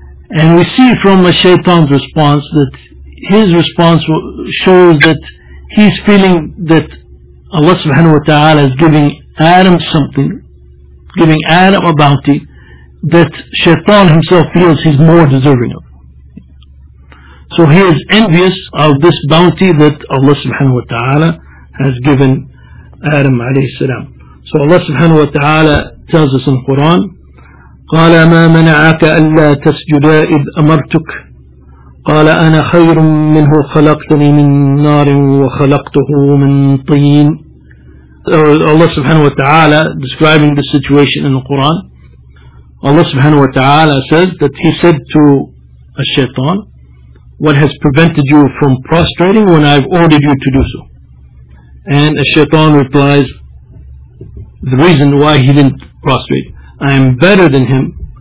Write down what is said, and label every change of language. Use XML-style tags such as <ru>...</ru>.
<en>And we see from the shaitan's response that his response shows that he's feeling that Allah subhanahu wa ta'ala is giving Adam something, giving Adam a bounty that shaitan himself feels he's more deserving of. So he is envious of this bounty that Allah subhanahu wa ta'ala has given Adam alayhi salam. So Allah subhanahu wa ta'ala tells us in the Quran,</en> <ar>قَالَ مَا مَنَعَكَ أَلَّا تَسْجُدَ إِذْ أَمَرْتُكَ قَالَ أَنَا خَيْرٌ مِّنْهُ خَلَقْتَنِي مِنْ نَارٍ وَخَلَقْتُهُ مِنْ طِينٍ.</ar> <en>Allah subhanahu wa ta'ala describing the situation in the Quran, Allah subhanahu wa ta'ala says that he said to ash-shaytan, what has prevented you from prostrating when I've ordered you to do so? And ash-shaytan replies, the reason why he didn't prostrate, I am better than him.</en>